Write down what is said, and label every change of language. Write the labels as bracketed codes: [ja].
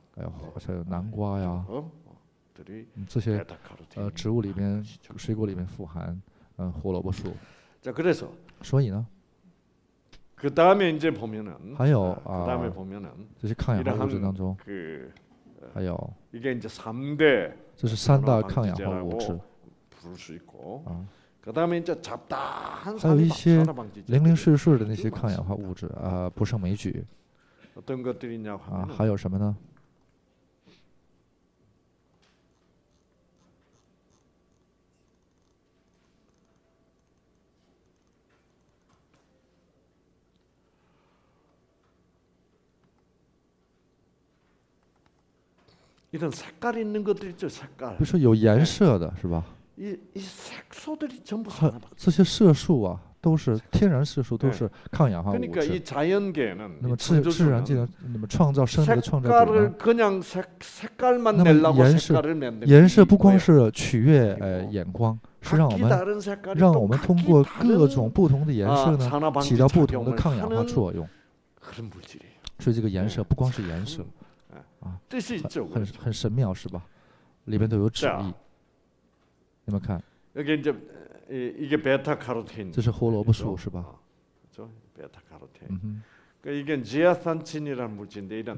[zh] 还有南瓜呀，这些植物里面、水果里面富含胡萝卜素。 [ko] 자그래서 [zh] 所以呢？ [ko] 그다음에이제보면은 [zh] 还有 [ko] 그다음에보면은 [zh] 这些抗氧化物质当中，还有 [ko] 이게이제삼대 [zh] 这是三大抗氧化物质。 [ko] 부를수있고그다음에이제잡다한 [zh] 还有一些零零碎碎的那些抗氧化物质不胜枚举。 [ko] 어떤것들이냐고 [zh] 还有什么呢？ [ko] 이런 색깔 있는 것들 있죠, 색깔. [zh] 그래서 有颜色的, 네. 是吧? [ko] 이 색소들이 전부 살아나. [zh] 这些色素啊, 都是 天然 色素, 都是 抗氧化 物质. [ko] 그러니까 이 자연계는 [zh] 那么自然界的那么创造生理的创造 [ko] 색깔을 그냥 색깔만 내려고 색깔을 내는 거예요. [zh] 颜色不光是取悦眼光. 是让我们通过各种不同的颜色呢，起到不同的抗氧化作用。 [ko] 그런 물질이에요. [zh] 所以这个颜色不光是颜色, [ko] 뜻이 있죠. [zh] 很神妙是吧？里面都有旨意。你们看， [ko] 여기 이제 이게 베타카로틴. [zh] 这是胡萝卜素是吧？ [ko] 저 베타카로틴. 그러니까 이게 지아산틴이라는 물질인데 이런.